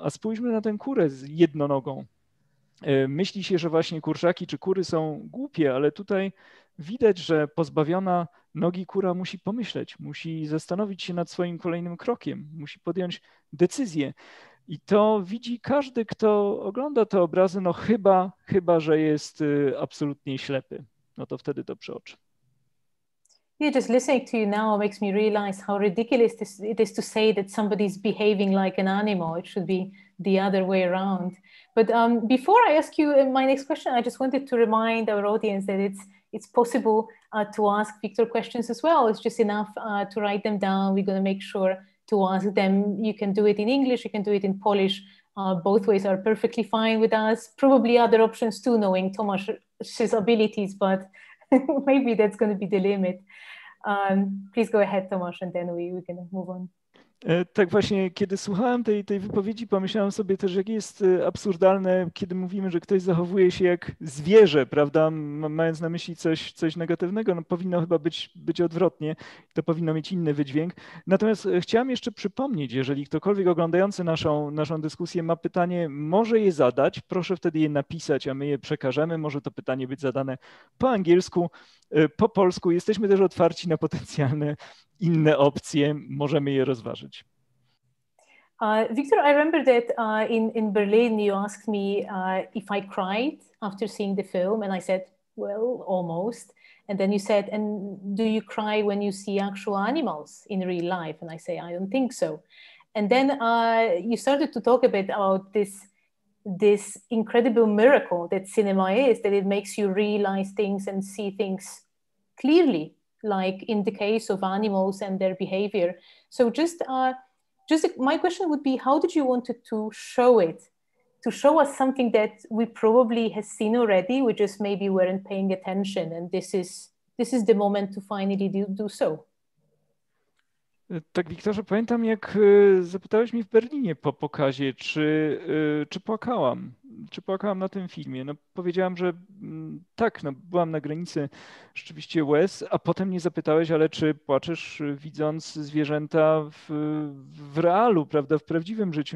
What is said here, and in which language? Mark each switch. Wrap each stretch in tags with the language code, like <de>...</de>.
<pl>A spójrzmy na tę kurę z jedną nogą. Myśli się, że właśnie kurczaki czy kury są głupie, ale tutaj widać, że pozbawiona nogi kura musi pomyśleć, musi zastanowić się nad swoim kolejnym krokiem, musi podjąć decyzję. I to widzi każdy, kto ogląda te obrazy, no chyba, że jest absolutnie ślepy. No to wtedy to przeoczy.</pl> <en>Yeah, just listening to you now makes me realize how ridiculous it is to say that somebody is behaving like an animal. It should be the other way around. But before I ask you my next question, I just wanted to remind our audience that it's possible to ask Victor questions as well. It's just enough to write them down. We're going to make sure to ask them. You can do it in English, you can do it in Polish. Both ways are perfectly fine with us. Probably other options too, knowing Tomasz's abilities, but maybe that's going to be the limit. Please go ahead, Tomasz, and then we can move on.</en> <pl>Tak właśnie, kiedy słuchałem tej wypowiedzi, pomyślałem sobie też, jak jest absurdalne, kiedy mówimy, że ktoś zachowuje się jak zwierzę, prawda, mając na myśli coś negatywnego, no powinno chyba być odwrotnie, to powinno mieć inny wydźwięk. Natomiast chciałem jeszcze przypomnieć, jeżeli ktokolwiek oglądający naszą dyskusję ma pytanie, może je zadać, proszę wtedy je napisać, a my je przekażemy, może to pytanie być zadane po angielsku, po polsku, jesteśmy też otwarci na potencjalne inne opcje, możemy je rozważyć.</pl> <en>Victor, I remember that in Berlin you asked me if I cried after seeing the film and I said, well, almost. And then you said, and do you cry when you see actual animals in real life? And I say, I don't think so. And then you started to talk a bit about this incredible miracle that cinema is, that it makes you realize things and see things clearly, like in the case of animals and their behavior. So just my question would be, how did you want to show it? To show us something that we probably have seen already, we just maybe weren't paying attention, and this is the moment to finally do so.</en> <pl>Tak, Wiktorze, pamiętam, jak zapytałeś mnie w Berlinie po pokazie, czy płakałam. czy płakałam na tym filmie? No powiedziałam, że tak, no byłam na granicy rzeczywiście łez, a potem mnie zapytałeś, ale czy płaczesz widząc zwierzęta w realu, prawda, w prawdziwym życiu?</pl>